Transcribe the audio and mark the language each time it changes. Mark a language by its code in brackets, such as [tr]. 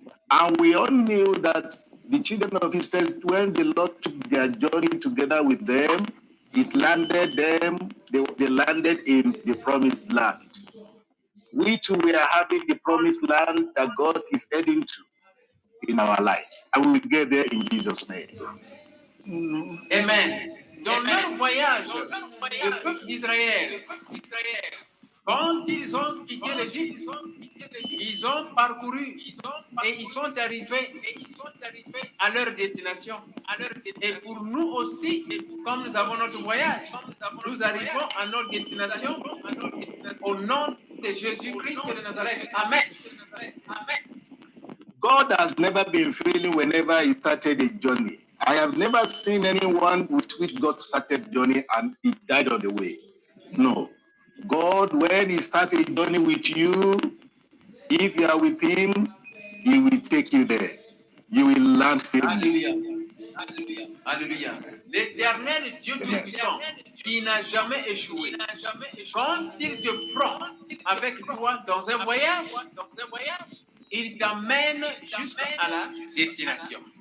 [en] And we all knew that the children of Israel, when the Lord took their journey together with them, it landed them, they landed in the promised land. We too, we are having the promised land that God is heading to in our lives. And we will get there in Jesus' name. Amen. [fr] Dans leur voyage, le peuple d'Israël, quand ils ont quitté l'Égypte, ils ont parcouru et ils sont arrivés à leur destination. Et pour nous aussi, comme nous avons notre voyage, nous arrivons à notre destination au nom de Jésus-Christ de Nazareth. Amen. [en] God has never been failing whenever he started a journey. I have never seen anyone with which God started journey and he died on the way. No. God, when he started a journey with you, if you are with him, he will take you there. You will land safely. Hallelujah. Hallelujah. [fr] L'Éternel Dieu tout-puissant, il n'a jamais échoué. Quand il te prend avec toi dans un voyage, il t'amène jusqu'à la destination.